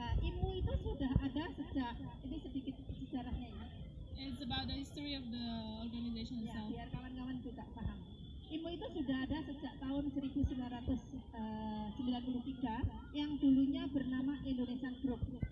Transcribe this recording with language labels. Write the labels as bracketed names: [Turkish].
[Indonesian] IMU itu sudah ada sejak ini sedikit sejarahnya. [English] It's about the history of the organization itself. [Indonesian] Biar kawan-kawan juga paham. IMU itu sudah ada sejak tahun 1993 yang dulunya bernama Indonesian Group.